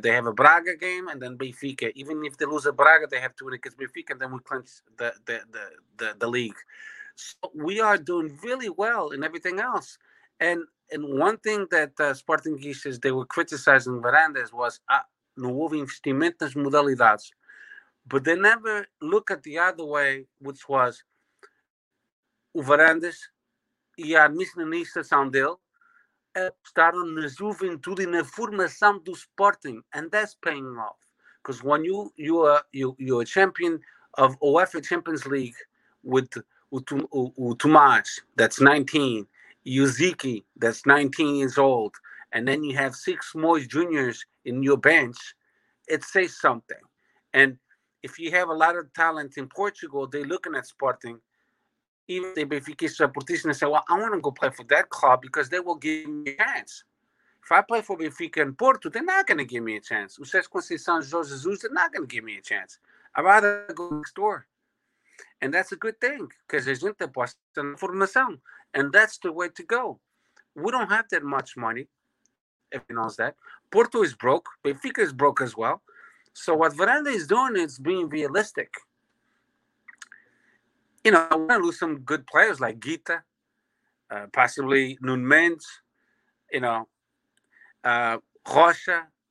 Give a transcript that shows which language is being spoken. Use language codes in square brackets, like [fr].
[en] They have a Braga game and then Benfica. Even if they lose a Braga, they have to win against Benfica, and then we clinch the league. So we are doing really well in everything else. And one thing that Sporting Guiches, they were criticizing Verandas was, [pt] não houve investimento nas modalidades. [en] But they never look at the other way, which was [pt] o Varandas e a administração dele apostaram na juventude e na formação do Sporting, [en] and that's paying off. Because when you're a champion of UEFA Champions League with o Tomás, that's 19, Yuziki, that's 19 years old, and then you have six more juniors in your bench, it says something. And if you have a lot of talent in Portugal, they're looking at Sporting. Even the Benfica supporters and say, well, I want to go play for that club because they will give me a chance. If I play for Benfica and Porto, they're not going to give me a chance. O Sesc Conceição, José Jesus, they're not going to give me a chance. I'd rather go next door. And that's a good thing because [pt] a gente aposta na formação. [en] And that's the way to go. We don't have that much money, if you know that. Porto is broke. Benfica is broke as well. So what Varanda is doing is being realistic. You know, I want to lose some good players like Guita, possibly Nunes, you know, Rocha.